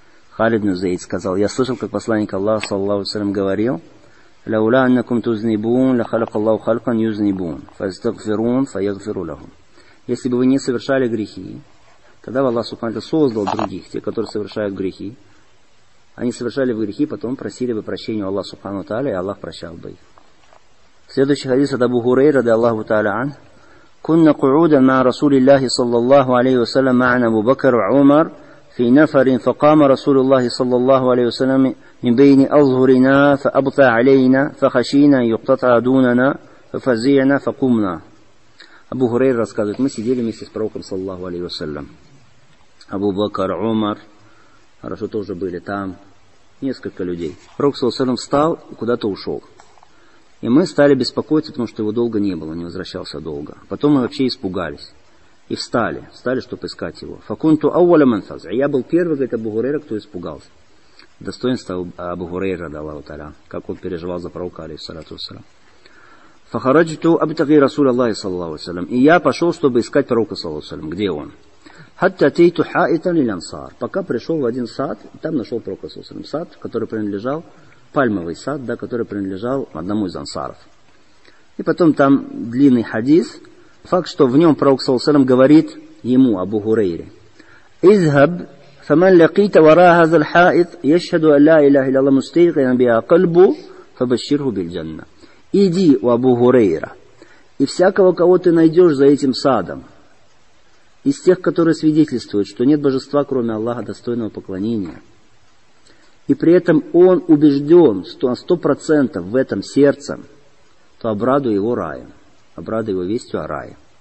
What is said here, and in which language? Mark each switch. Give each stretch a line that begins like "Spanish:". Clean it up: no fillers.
Russian: Халид ибн Зейд сказал: «Я слышал, как посланник Аллаха саллаллаху алейхи ва саллям говорил:
Arabic: لولا انكم تذنبون لخلق الله خلقا يذنبون فاستغفرون فيغفر لهم».
Russian: Если бы вы не совершали грехи, тогда бы Аллах Субхану Тааля создал других, те, которые совершают грехи. Они совершали бы грехи, потом просили бы прощения у Аллаха Субхану Тааля, и Аллах прощал бы их. Следующий хадис от Абу Хурейра
Arabic: رضي الله تعالى عنه: كنا قعودا مع رسول الله صلى الله عليه وسلم معنا أبو بكر وعمر في نفر، فقام رسول الله صلى الله عليه وسلم من بين أظهرنا فأبطى علينا، فخشينا يقتطع دوننا Фазияна факумна.
Russian: Абу Хурейра рассказывает, мы сидели вместе с пророком, саллаху алейхи вассалям. Абу Бакар, Умар, хорошо, тоже были там. Несколько людей. Пророк, саллаху алейхи вассалям, встал и куда-то ушел. И мы стали беспокоиться, потому что его долго не было, не возвращался долго. Потом мы вообще испугались. И встали, чтобы искать его.
Arabic: Факунту ауаля ман фазия.
Russian: Я был первый, говорит Абу Хурейра, кто испугался. Достоинство Абу Хурейра, да, Аллаху Таля, как он переживал за пророка, алейхиссалату вассалям.
Arabic: Фахараджиту абтаги расуля Аллаха,
Russian: саллаллаху алейхи вассалям. И я пошел, чтобы искать пророка, саллаллаху алейхи вассалям. Где он?
Arabic: Хатта атейту хаитан лил ансар.
Russian: Пока пришел в один сад, и там нашел пророка, саллаллаху алейхи вассалям. Сад, который принадлежал, пальмовый сад, да, который принадлежал одному из ансаров. И потом там длинный хадис. Факт, что в нем пророк, саллаллаху алейхи вассалям, говорит ему, Абу Хурейре.
Arabic: Изхаб. فمن لقيت وراء هذا الحائط يشهد أن لا إله إلا الله مستيقنا بها قلبه فبشره بالجنة.
Russian: Иди, у Абу Хурейра, и всякого, кого ты найдешь за этим садом, из тех, которые свидетельствуют, что нет божества, кроме Аллаха, достойного поклонения, и при этом он убежден на 100% в этом сердце, то обрадуй его раем, обрадуй его вестью о рае.